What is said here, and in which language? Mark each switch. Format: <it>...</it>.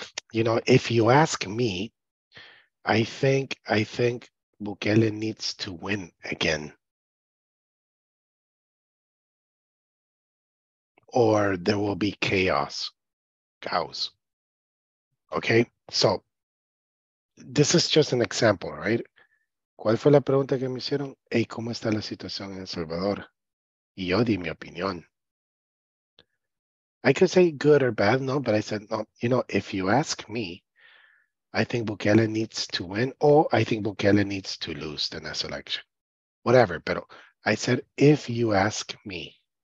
<en>You know, if you ask me, I think Bukele needs to win again. Or there will be chaos, chaos. Okay, so this is just an example, right?</en> <es>¿Cuál fue la pregunta que me hicieron? Hey, ¿cómo está la situación en El Salvador? Y yo di mi opinión.</es> <en>I could say good or bad, no, but I said, no, you know, if you ask me, I think Bukele needs to win or I think Bukele needs to lose the next election, whatever. Pero I said, if you ask me,</en>